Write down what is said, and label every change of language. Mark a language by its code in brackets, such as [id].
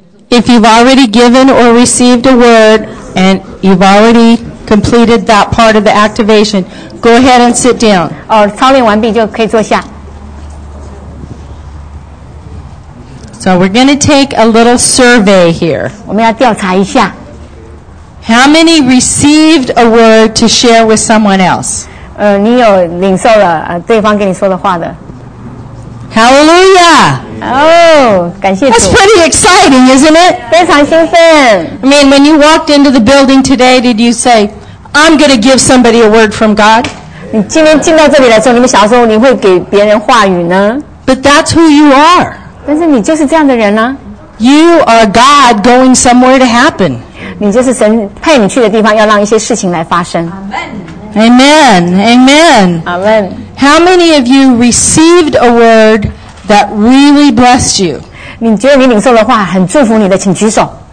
[en] If you've already given or received a word and you've already completed that part of the activation, go ahead and sit down. [zh] 操练完毕就可以坐下。 [en] So we're going to take a little survey here. [zh] 我们要调查一下。 [en] How many received a word to share with someone else? [zh] 你有领受了对方给你说的话的。 [en] Hallelujah! Oh, that's pretty exciting, isn't it? [zh] 非常兴奋。 [en] I mean, when you walked into the building today, did you say, I'm going to give somebody a word from God? [zh] 你今天进到这里来说，你们想说你会给别人话语呢？ [en] But that's who you are. [zh] 但是你就是这样的人啊。 [en] You are God going somewhere to happen. [zh] 你就是神派你去的地方，要让一些事情来发生。 [en] Amen. Amen. Amen. How many of you received a word that really blessed you? [zh] 你觉得你领受的话很祝福你的，请举手。